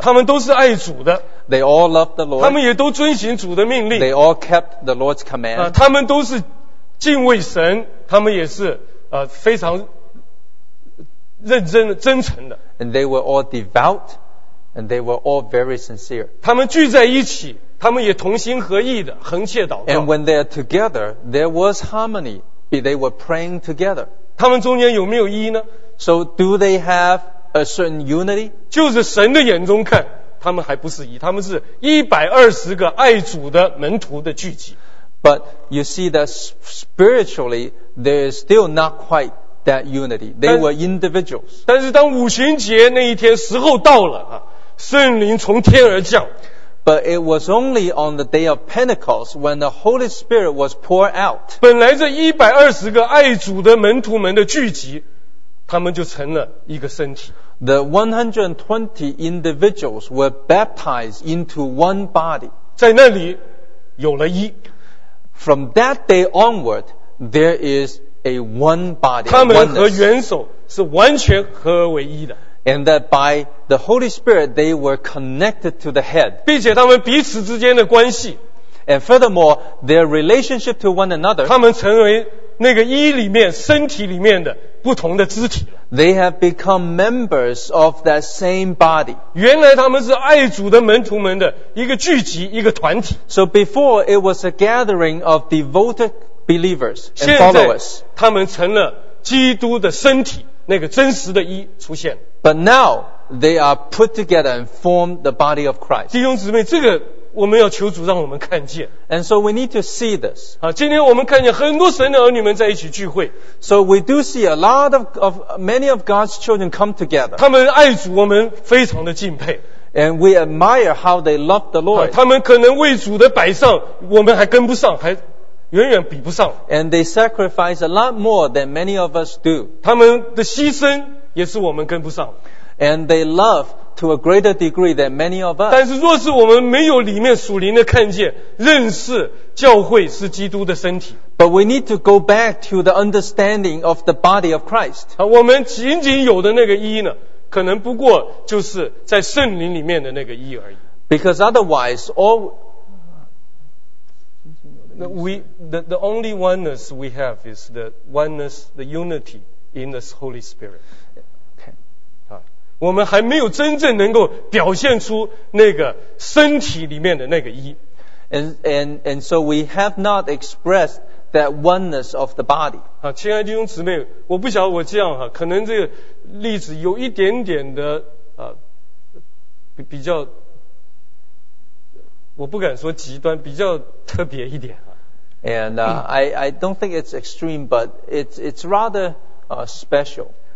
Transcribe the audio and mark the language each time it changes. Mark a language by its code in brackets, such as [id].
[zh] 他们都是爱主的。 [en] They all loved the Lord. [zh] 他们也都遵行主的命令。 [en] They all kept the Lord's command. [zh] 他们都是敬畏神，他们也是非常认真的、真诚的。 [en] And they were all devout, and they were all very sincere. [zh] 他们聚在一起，他们也同心合意的恒切祷告。 [en] And when they are together, there was harmony. They were praying together. [zh] 他们中间有没有一呢？ [en] So do they have a certain unity? [zh] 就是神的眼中看，他们还不是一，他们是120个爱主的门徒的聚集。 [en] But you see that spiritually there is still not quite that unity. They were individuals. [zh] 但是当五旬节那一天时候到了，圣灵从天而降。 [en] But it was only on the day of Pentecost when the Holy Spirit was poured out. [zh] 本来这120个爱主的门徒们的聚集，他们就成了一个身体。 [en] The 120 individuals were baptized into one body. [zh] 在那里有了一。 [en] From that day onward, there is a one body. [zh] 他们和元首是完全合而为一的。 [en] And that by the Holy Spirit, they were connected to the head. [zh] 并且他们彼此之间的关系。 [en] And furthermore, their relationship to one another. [zh] 他们成为那个一里面身体里面的不同的肢体。 [en] They have become members of that same body. [zh] 原来他们是爱主的门徒们的一个聚集，一个团体。 [en] So before it was a gathering of devoted believers and followers. [zh] 现在他们成了基督的身体，那个真实的一出现。 [en] But now they are put together and form the body of Christ. [zh] 弟兄姊妹，这个我们要求主让我们看见。 [en] And so we need to see this. [zh] 今天我们看见很多神的儿女们在一起聚会。 [en] So we do see a lot of many of God's children come together. [zh] 他们爱主，我们非常的敬佩。 [en] And we admire how they love the Lord. [zh] 他们可能为主的摆上，我们还跟不上，还远远比不上。 [en] And they sacrifice a lot more than many of us do. [zh] 他们的牺牲也是我们跟不上。 [en] And they love to a greater degree than many of us. [zh] 但是若是我们没有里面属灵的看见，认识教会是基督的身体。 [en] But we need to go back to the understanding of the body of Christ. [zh] 我们仅仅有的那个一呢，可能不过就是在圣灵里面的那个一而已。 [en] Because otherwise, all the only oneness we have is the oneness, the unity in the Holy Spirit. [zh] 我们还没有真正能够表现出那个身体里面的那个一。 [en] And so we have not expressed that oneness of the body. [zh] 亲爱的弟兄姊妹，我不晓得我这样哈，可能这个例子有一点点的比较，我不敢说极端，比较特别一点。 [en] And I don't think it's extreme, but it's rather special.